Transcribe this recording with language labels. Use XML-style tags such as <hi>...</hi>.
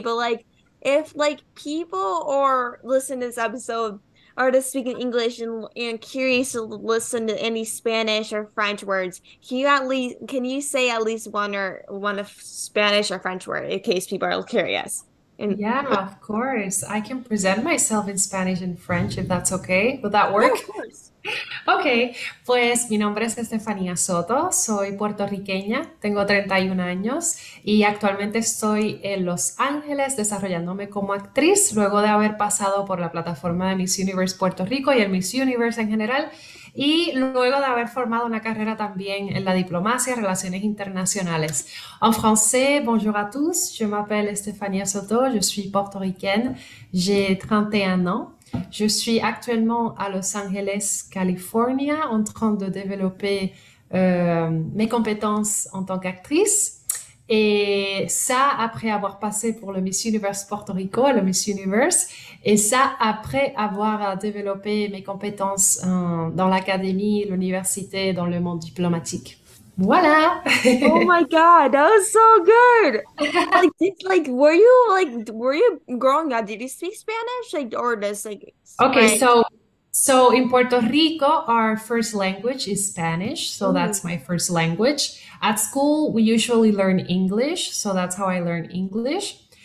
<en>But like, if like people or listen to this episode are to speak in English and curious to listen to any Spanish or French words, can you say at least one of Spanish or French word in case people are curious? And Yeah, of course. I can present myself in Spanish and French if that's okay. Would that yeah, work? of course.</en> <es>Okay, pues mi nombre es Estefania Soto, soy puertorriqueña, tengo 31 años y actualmente estoy en Los Ángeles desarrollándome como actriz luego de haber pasado por la plataforma de Miss Universe Puerto Rico y el Miss Universe en general y luego de haber formado una carrera también en la diplomacia y relaciones internacionales.</es> <fr>En francés, bonjour à tous, je m'appelle Estefania Soto, je suis puertorriqueña, j'ai 31 ans. Je suis actuellement à Los Angeles, Californie, en train de développer mes compétences en tant qu'actrice. Et ça, après avoir passé pour le Miss Universe Porto Rico et le Miss Universe. Et ça, après avoir développé mes compétences dans l'académie, l'université, dans le monde diplomatique. Voilà!</fr> <en>Oh my God, that was so good. Like, were you growing up, did you speak Spanish? Like, or just like Okay, French? so in Puerto Rico, our first language is Spanish, so that's my first language. At school, we usually learn English, so that's how I learn English.</en>